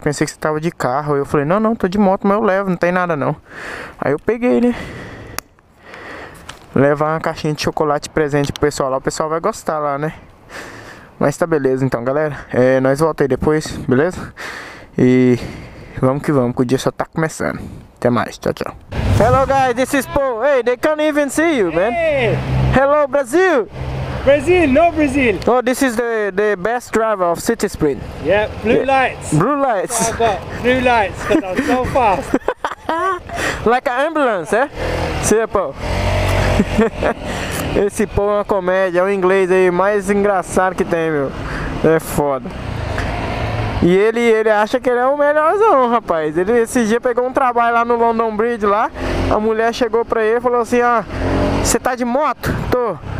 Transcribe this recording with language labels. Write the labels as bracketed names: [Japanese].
[Portuguese] Pensei que você tava de carro. Eu falei, não, tô de moto, mas eu levo, não tem nada não. Aí eu peguei, né? Levar uma caixinha de chocolate presente pro pessoal lá. O pessoal vai gostar lá, né? Mas tá beleza então, galera. É, nós voltamos aí depois, beleza? E vamos que vamos, que o dia só tá começando. Até mais, tchau, tchau. [English] Hello, guys, this is Paul. Hey, they can't even see you, man. Hello, Brazil! Brazil, no Brazil. Oh, this is the best driver of City Sprint. Yeah, blue lights. Blue lights. That's what I got. Blue lights, because I'm so fast. Like an ambulance, eh? See, Paul. [Portuguese] Esse Paul é uma comédia, é o inglês aí mais engraçado que tem, meu. É foda. E ele acha que ele é o melhorzão, rapaz. Ele esse dia pegou um trabalho lá no London Bridge lá. A mulher chegou pra ele e falou assim, ó, você tá de moto? Tô.